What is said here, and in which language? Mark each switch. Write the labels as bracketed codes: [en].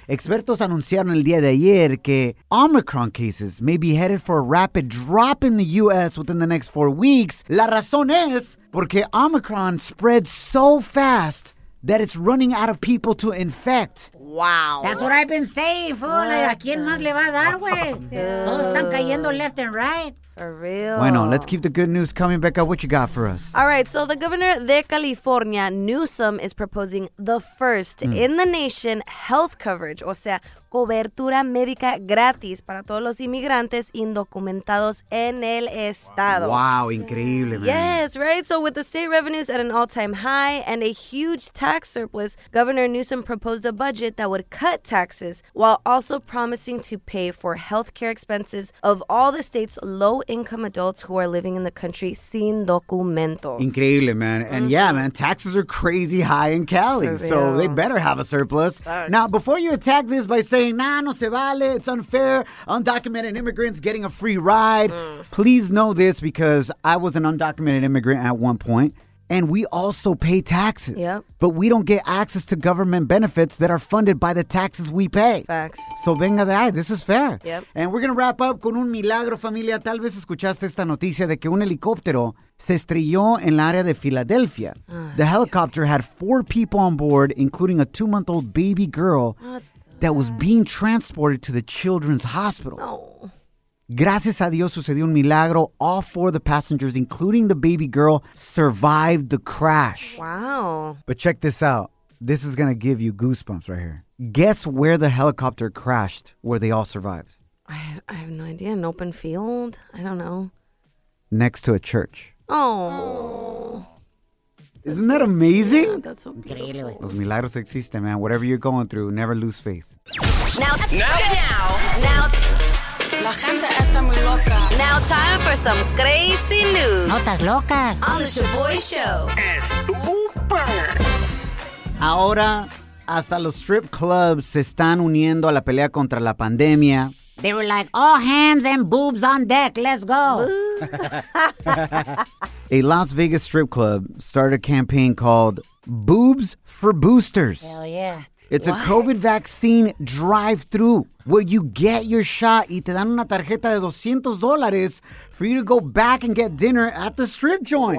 [es] Expertos anunciaron el día de ayer que [en] Omicron cases may be headed for a rapid drop in the U.S. within the next 4 weeks. [es] La razón es porque [en] Omicron spreads so fast that it's running out of people to infect. Wow. That's what I've been saying, fool. [es] ¿A quién más le va a dar, güey? Todos están cayendo [en] left and right. For real. Bueno, let's keep the good news coming, Becca. What you got for us? All right, so the governor de California, Newsom, is proposing the first in the nation health coverage, [es] o sea, cobertura médica gratis para todos los inmigrantes indocumentados en el estado. Wow, increíble, man. [en] Yes, right? So with the state revenues at an all-time high and a huge tax surplus, Governor Newsom proposed a budget that would cut taxes while also promising to pay for health care expenses of all the state's low income adults who are living in the country [es] sin documentos. Increíble, man. [en] And yeah, man, taxes are crazy high in Cali, so they better have a surplus. Now, before you attack this by saying, nah, [es] no se vale, [en] it's unfair, undocumented immigrants getting a free ride, please know this because I was an undocumented immigrant at one point. And we also pay taxes. Yep. But we don't get access to government benefits that are funded by the taxes we pay. Facts. So [es] venga de ahí. [en] This is fair. Yep. And we're going to wrap up [es] con un milagro, familia. Tal vez escuchaste esta noticia de que un helicóptero se estrelló en el área de Filadelfia. [en] The helicopter had 4 people on board, including a 2-month-old baby girl that was being transported to the children's hospital. No. [es] Gracias a Dios sucedió un milagro. [en] All 4 of the passengers, including the baby girl, survived the crash. Wow. But check this out. This is going to give you goosebumps right here. Guess where the helicopter crashed where they all survived? I have no idea. An open field? I don't know. Next to a church. Oh. Isn't that amazing? Yeah, that's so beautiful. [es] Los milagros existen, [en] man. Whatever you're going through, never lose faith. Now. [es] La gente está muy loca. [en] Now time for some crazy news. [es] Notas locas. [en] On the Shaboy Show. [es] Estúpido. Ahora, hasta los strip clubs se están uniendo a la pelea contra la pandemia. [en] They were like, all hands and boobs on deck. Let's go. A Las Vegas strip club started a campaign called Boobs for Boosters. Hell yeah. It's a COVID vaccine drive-through where you get your shot [es] y te dan una tarjeta de [en] $200 for you to go back and get dinner at the strip joint.